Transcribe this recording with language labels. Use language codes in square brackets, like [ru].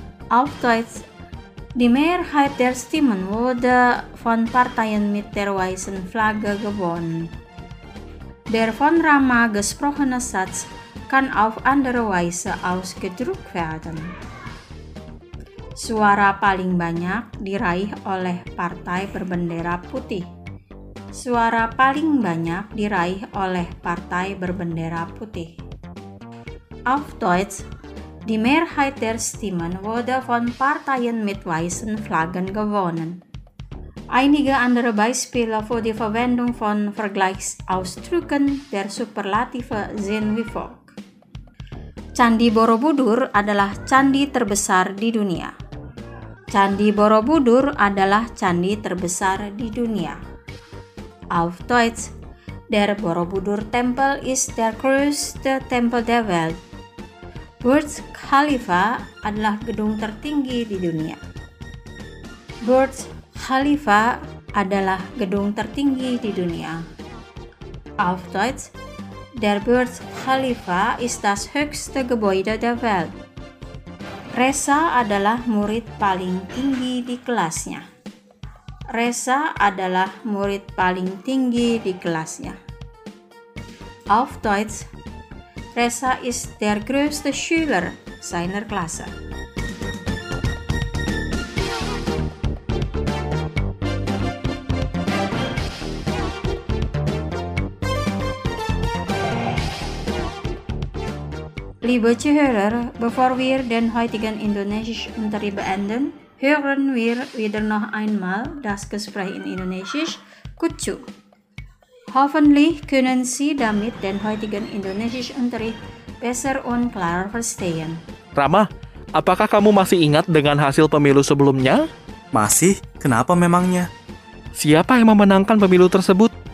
[de] Auf Deutsch, die Mehrheit der Stimmen wurde von Parteien mit der weißen Flagge gewonnen. Der von Rama gesprochene Satz kann auf andere Weise ausgedrückt werden. [id] Suara paling banyak diraih oleh partai berbendera putih. Suara paling banyak diraih oleh partai berbendera putih. [de] Auf Deutsch, die Mehrheit der Stimmen wurde von Parteien mit weißen Flaggen gewonnen. Einige andere Beispiele für die Verwendung von Vergleichsausdrücken der Superlative sind wie folgt. [id] Candi Borobudur adalah candi terbesar di dunia. Candi Borobudur adalah candi terbesar di dunia. [de] Auf Deutsch, der Borobudur Tempel ist der größte Tempel der Welt. [id] Burj Khalifa adalah gedung tertinggi di dunia. Burj Khalifa adalah gedung tertinggi di dunia. [de] Auf Deutsch, der Burj Khalifa ist das höchste Gebäude der Welt. [id] Reza adalah murid paling tinggi di kelasnya. Reza adalah murid paling tinggi di kelasnya. [de] Auf Deutsch, Reza ist der größte Schüler seiner Klasse. Liebe Zuhörer, bevor wir den heutigen Indonesischen Unterricht beenden, hören wir wieder noch einmal das Gespräch in Indonesisch Kucu. Hoffentlich können Sie damit den heutigen Indonesischen Unterricht besser und klarer verstehen. [id] Rama, apakah kamu masih ingat dengan hasil pemilu sebelumnya? Masih, kenapa memangnya? Siapa yang memenangkan pemilu tersebut?